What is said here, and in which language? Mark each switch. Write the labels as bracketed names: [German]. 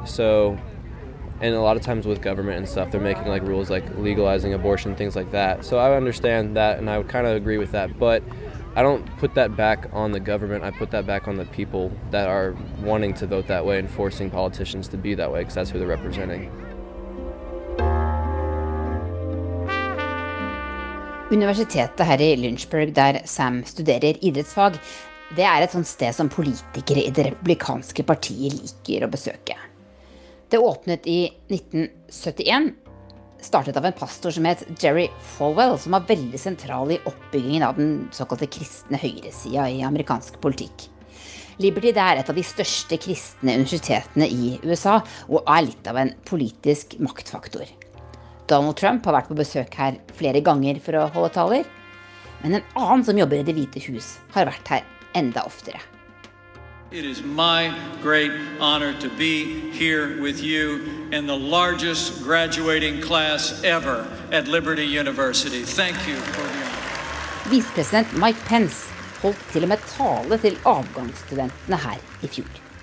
[English] So, and a lot of times with government and stuff, they're making like rules like legalizing abortion, things like that. So I understand that and I would kind of agree with that. But I don't put that back on the government. I put that back on the people that are wanting to vote that way and forcing politicians to be that way because that's who they're representing. [Norwegian] Universitetet her i Lynchburg, der Sam studerer idrettsfag, det et sånt sted som politikere i det republikanske partiet liker å besøke. Det åpnet i 1971, startet av en pastor som het Jerry Falwell, som var veldig sentral i oppbyggingen av den såkalte kristne høyresiden i amerikansk politikk. Liberty er et av de største kristne universitetene i USA, og litt av en politisk maktfaktor. Donald Trump har vært på besøk her flere ganger for å holde taler, men en annen som jobber i Det Hvite Hus har vært her enda oftere. [English] It is my great honor to be here with you in the largest graduating class ever at Liberty University. Thank you for your honor. [Norwegian] Vicepresident Mike Pence holdt til og med tale til avgangsstudentene her i fjor.